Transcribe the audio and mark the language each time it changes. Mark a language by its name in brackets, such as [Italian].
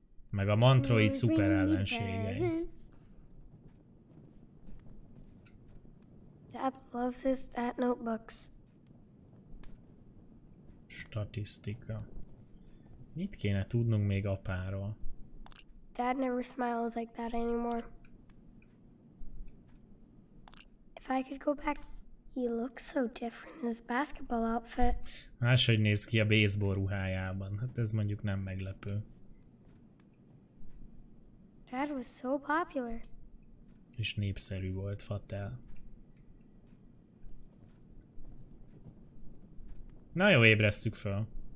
[Hungarian] Meg a mantroid szuper ellensége. [English] Dad loves his stat notebooks. [Hungarian] Statisztika. Mit kéne tudnunk még apáról? [English] Dad never smiles like that anymore. If I could go back, he looks so different in his basketball outfit. [Hungarian] Máshogy néz ki a baseball ruhájában. Hát ez mondjuk nem meglepő. [English] Dad was so popular. [Hungarian] És népszerű volt, Fatel. Na jó, ébresztük föl.